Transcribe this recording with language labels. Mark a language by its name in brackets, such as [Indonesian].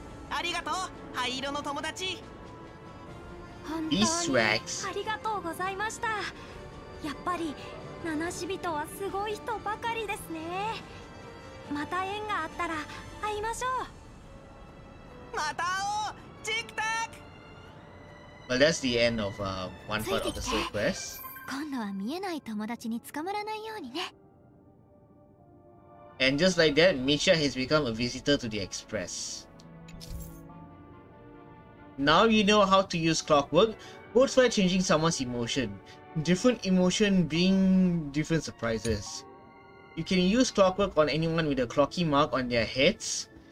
[Japanese] ありがとう、灰色の友達。本当にありがとうございました。やっぱり七死人はすごい人ばかりですね。また縁があったら会いましょう。また会おう、チクタク。 [English] Well, that's the end of one part of the soul quest. [Japanese] 今度は見えない友達に捕まらないようにね。 [English] And just like that, Misha has become a visitor to the Express. Now you know how to use clockwork, both by changing someone's emotion. Different emotion bring different surprises. You can use clockwork on anyone with a clocky mark on their heads.